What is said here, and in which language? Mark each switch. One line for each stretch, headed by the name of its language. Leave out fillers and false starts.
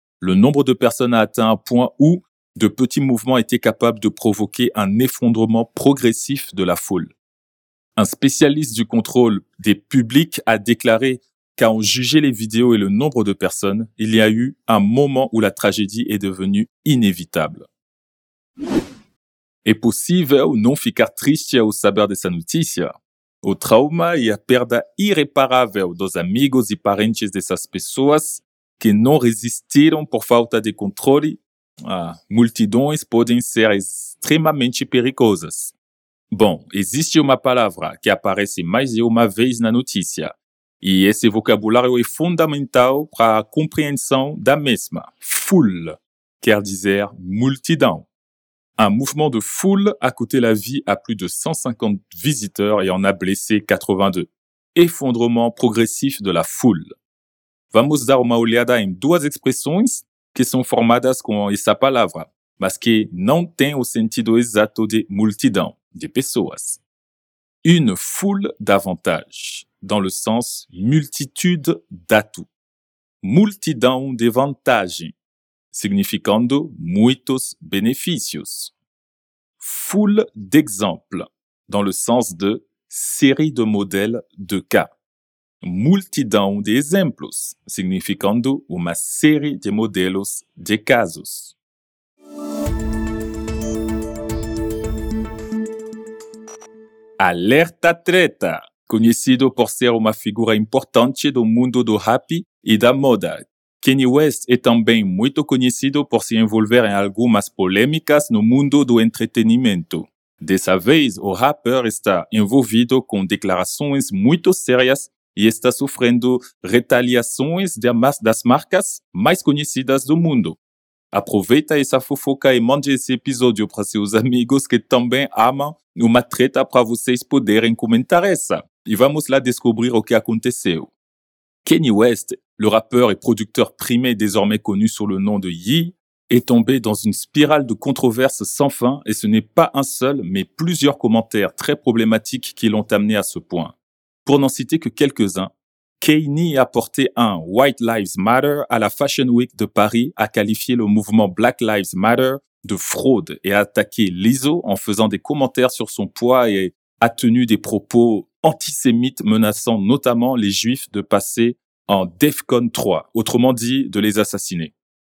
French: Le nombre de personnes a atteint un point où de petits mouvements étaient capables de provoquer un effondrement progressif de la foule. Un spécialiste du contrôle des publics a déclaré qu'à en juger les vidéos et le nombre de personnes, il y a eu un moment où la tragédie est devenue inévitable.
Portuguese: É possível não ficar triste ao saber dessa notícia? O trauma e a perda irreparável dos amigos e parentes dessas pessoas que não resistiram por falta de controle, multidões podem ser extremamente perigosas. Bom, existe uma palavra que aparece mais de uma vez na notícia, e esse vocabulário é fundamental para a compreensão da mesma. Full quer dizer multidão.
French: Un mouvement de foule a coûté la vie à plus de 150 visiteurs et en a blessé 82. Effondrement progressif de la foule.
Portuguese: Vamos dar uma olhada em duas expressões que são formadas com essa palavra, mas que não têm o sentido exato de multidão, de pessoas.
French: Une foule d'avantage, dans le sens multitude d'atouts.
Portuguese: Multidão de vantagem. Significando muitos benefícios.
French: Foule d'exemple, dans le sens de série de modèles de cas.
Portuguese: Multidão de exemplos, significando uma série de modelos de casos. Alerta Treta, conhecido por ser uma figura importante do mundo do rap e da moda. Kanye West est também muito conhecido por se envolver em algumas polêmicas no mundo do entretenimento. Dessa vez, o rapper está envolvido com declarações muito sérias e está sofrendo retaliações das marcas mais conhecidas do mundo. Aproveita essa fofoca e mande esse episódio para seus amigos que também amam uma treta para vocês poderem comentar essa. E vamos lá descobrir o que aconteceu.
French: Kanye West, le rappeur et producteur primé désormais connu sous le nom de Ye, est tombé dans une spirale de controverses sans fin et ce n'est pas un seul, mais plusieurs commentaires très problématiques qui l'ont amené à ce point. Pour n'en citer que quelques-uns, Kanye a porté un « White Lives Matter » à la Fashion Week de Paris, a qualifié le mouvement « Black Lives Matter » de fraude et a attaqué Lizzo en faisant des commentaires sur son poids et a tenu des propos antisémites menaçant notamment les Juifs de passer en DEFCON 3, autrement dit de les assassiner.